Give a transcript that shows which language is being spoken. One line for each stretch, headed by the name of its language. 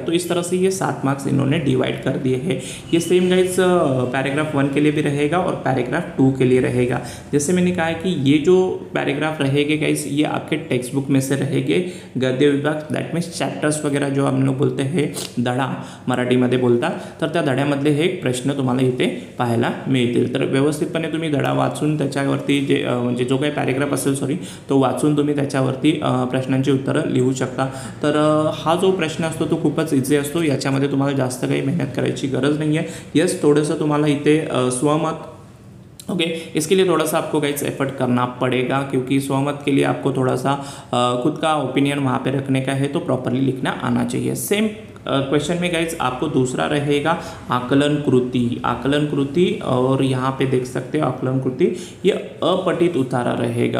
Hindi: तो इस तरह से ये 7 मार्क्स इन्होंने डिवाइड कर दिए है। ये सेम गाइस पैराग्राफ 1 के लिए भी रहेगा और पैराग्राफ 2 के लिए रहेगा। जैसे मैंने कहा है कि ये जो पैराग्राफ रहेंगे गाइस, ये आपके टेक्स्ट बुक में से रहेंगे, गद्य विभाग दैट मीन्स चैप्टर्स वगैरह जो हम लोग बोलते हैं धड़ा मराठी में बोलता,
Marathi: तर त्या धड्यामधले हे प्रश्न तुम्हाला इथे पाहायला मिळतील। तर व्यवस्थितपणे तुम्ही धडा वाचून त्याच्यावरती जे म्हणजे जो काही पॅरेग्राफ असेल तो वाचून तुम्ही त्याच्यावरती प्रश्नांची उत्तरं लिहू शकता। तर हा जो प्रश्न असतो तो खूपच इझी असतो, याच्यामध्ये तुम्हाला जास्त काही मेहनत करायची गरज नाही आहे।
Hindi: येस,
Marathi: थोडंसं तुम्हाला इथे स्वमत
Hindi: ओके इसके लिए थोड़ा सा आपको गाइस एफर्ट करना पड़ेगा, क्योंकि स्वमत के लिए आपको थोड़ा सा खुद का ओपिनियन वहाँ पे रखने का है, तो प्रॉपरली लिखना आना चाहिए। सेम क्वेश्चन में गाइस आपको दूसरा रहेगा आकलन कृति, आकलन कृति, और यहाँ पे देख सकते हो आकलन कृति ये अपठित उतारा रहेगा।